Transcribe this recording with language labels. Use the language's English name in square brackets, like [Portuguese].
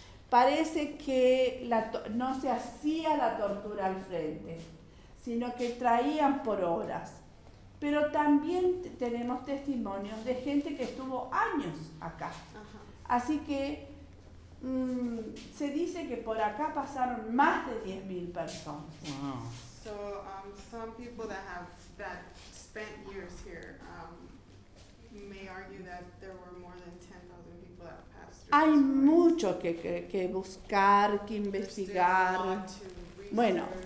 [Spanish] Parece que no se hacía la tortura al frente, sino que traían por horas. Pero también tenemos testimonios de gente que estuvo años acá. Así que se dice que por acá pasaron más de 10,000 personas. [English] Wow. So some people that spent years here may argue that there were more than 10,000 people that passed through. [Spanish] Hay mucho que buscar, que investigar. Bueno.